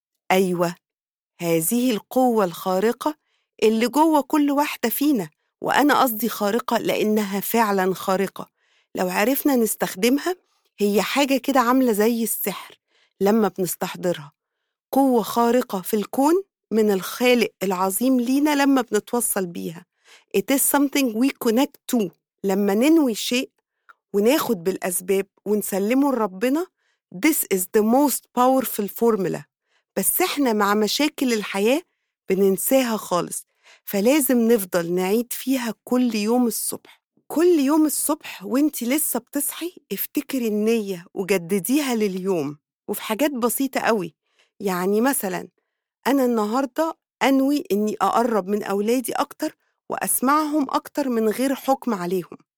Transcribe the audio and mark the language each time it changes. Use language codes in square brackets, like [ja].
[ar] أيوة هذه القوة الخارقة اللي جوه كل واحدة فينا، وأنا قصدي خارقة لأنها فعلا خارقة، لو عرفنا نستخدمها هي حاجة كده عاملة زي السحر لما بنستحضرها، قوة خارقة في الكون من الخالق العظيم لينا لما بنتوصل بيها. [en] It is something we connect to. [ar] لما ننوي شيء وناخد بالأسباب ونسلمه لربنا، [en] This is the most powerful formula. [ar] بس احنا مع مشاكل الحياة بننساها خالص، فلازم نفضل نعيد فيها كل يوم الصبح. كل يوم الصبح وانت لسه بتصحي افتكري النية وجدديها لليوم، وفي حاجات بسيطة قوي، يعني مثلا أنا النهاردة أنوي أني أقرب من أولادي أكتر وأسمعهم أكتر من غير حكم عليهم.